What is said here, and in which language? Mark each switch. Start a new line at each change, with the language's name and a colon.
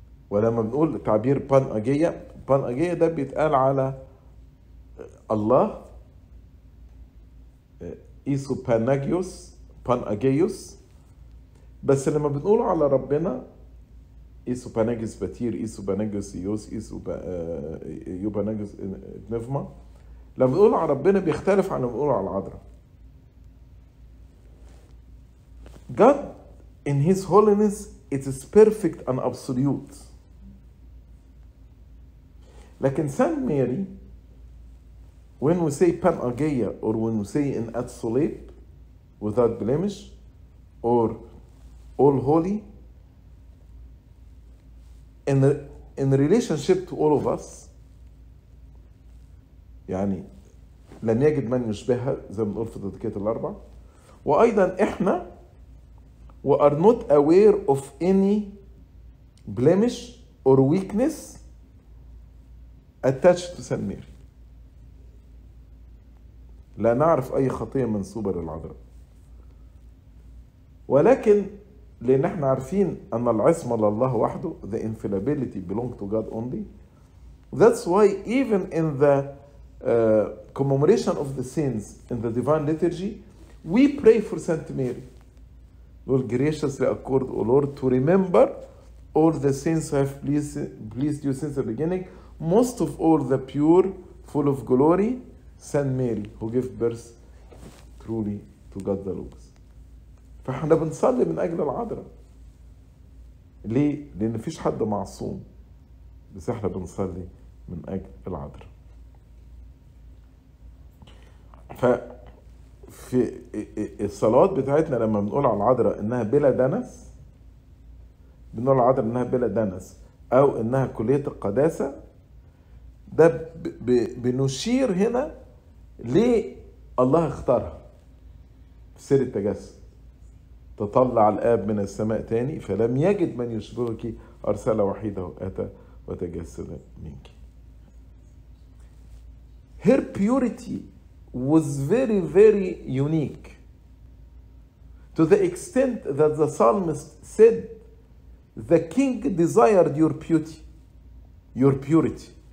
Arabic: ولما بنقول تعبير بانأجية، بانأجية ده بيتقال على الله، إيسو بانأجيوس، بانأجيوس. بس لما بنقول على ربنا إيسو بانأجيوس باتير، إيسو بانأجيوس يوس، إيسو بانأجيوس نفما، لما بنقول على ربنا بيختلف عن لما بنقول على العذراء.
English: God in His holiness it is perfect and absolute.
Arabic: لكن سان ماري
English: when we say panagia or when we say in absolute without blemish or all holy in relationship to all of us،
Arabic: يعني لم يجد من يشبهها زي ما نقول في الدقيقة الأربعة، وأيضا إحنا
English: we are not aware of any blemish or weakness attached to St. Mary.
Arabic: لا نعرف أي خطية منسوبة للعذراء، ولكن لأن إحنا عارفين أن العصمة لله وحده،
English: the infallibility belongs to God only. That's why even in the commemoration of the saints in the divine liturgy we pray for Saint Mary. Lord graciously accord O Lord to remember all the saints who have pleased you since the beginning, most of all the pure full of glory Saint Mary who gave birth truly to God the Logos.
Arabic: فاحنا بنصلي من أجل العذراء. ليه؟ لأن فيش حد معصوم، بس احنا بنصلي من أجل العذراء. ففي الصلوات بتاعتنا لما بنقول على العذراء انها بلا دنس، بنقول على العذراء انها بلا دنس او انها كلية القداسة، ده بنشير هنا ليه الله اختارها في سر التجسد. تطلع الاب من السماء تاني فلم يجد من يشبهك ارسل وحيده اتى وتجسد منك.
English: Her purity was very very unique to the extent that the psalmist said the king desired your beauty your purity.